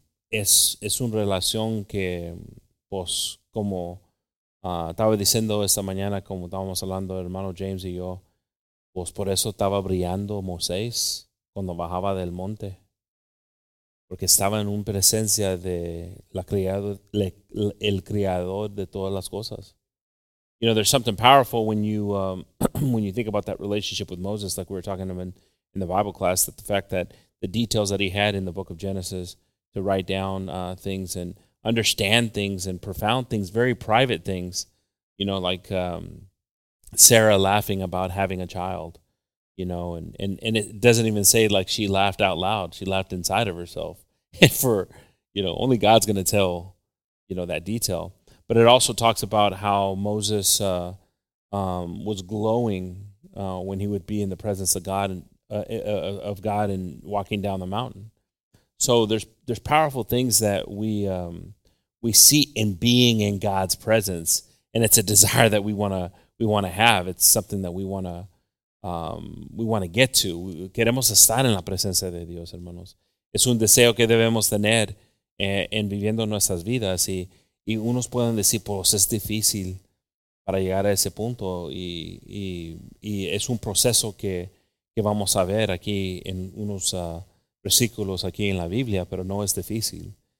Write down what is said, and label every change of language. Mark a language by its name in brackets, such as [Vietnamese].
[Spanish] es una relación que, pues, como estaba diciendo esta mañana, como estábamos hablando el hermano James y yo, pues por eso estaba brillando Moisés cuando bajaba del monte. Porque estaba en una presencia de el creador de todas las cosas. [English] You know, there's something powerful when you when you think about that relationship with Moses, like we were talking about in the Bible class, that the fact that the details that he had in the book of Genesis to write down things and understand things and profound things, very private things, you know, like Sarah laughing about having a child. You know, and it doesn't even say like she laughed out loud. She laughed inside of herself. For, you know, only God's going to tell, you know, that detail. But it also talks about how Moses was glowing when he would be in the presence of God and walking down the mountain. So there's powerful things that we see in being in God's presence, and it's a desire that we want to have. It's something that we want to we want to get to. [Spanish] Queremos estar en la presencia de Dios, hermanos. Es un deseo que debemos tener en viviendo nuestras vidas. Y unos pueden decir, pues es difícil para llegar a ese punto. Y es un proceso que vamos a ver aquí en unos versículos aquí en la Biblia, pero no es difícil.